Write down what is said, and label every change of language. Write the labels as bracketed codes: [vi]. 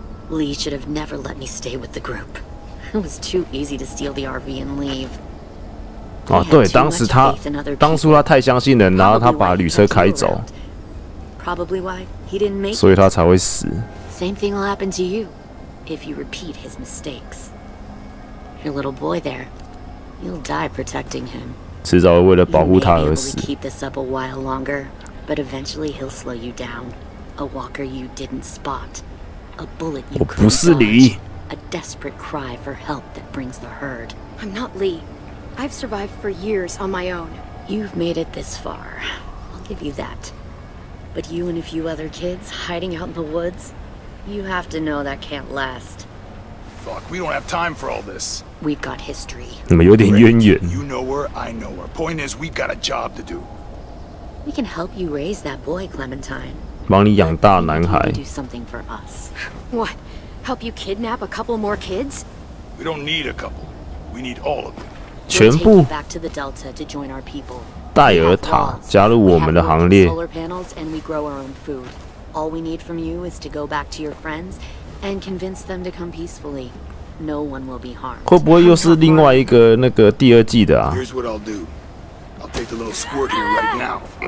[en] Lee should have never let me stay with the group. It was too easy to steal the RV and leave. [zh] 啊，对，当初他太相信人，然后他把旅车开走。 [en] Probably why he didn't make. [zh] 所以他才会死。 [en] Same thing will happen to you if you repeat his mistakes. Your little boy there, you'll die protecting him. [zh] 迟早为了保护他而死。 [en] Keep this up a while longer, but eventually he'll slow you down. A walker you didn't spot, a bullet you couldn't dodge, a desperate cry for help that brings the herd. I'm not Lee. I've survived for years on my own. You've made it this far. I'll give you that. But you and a few other kids hiding out in the woods, you have to know that can't last. Fuck, we don't have time for all this. We've got history. [zh] 怎么有点渊源？ [en] You know where, I know where. Point is, we've got a job to do. We can help you raise that boy, Clementine. [zh] 帮你养大男孩。 [en] Do something for us. What? Help you kidnap a couple more kids? We don't need a couple. We need all of them. [zh] 全部。 [en] We'll take you back to the Delta to join our people. [zh] 戴尔塔加入我们的行列。 [en] Solar panels and we grow our own food. All we need from you is to go back to your friends and convince them to come peacefully. No one will be harmed. [zh] 会不会又是另外一个那个第二季的啊 [en] ？Here's what I'll do. I'll take the little squirt here right now.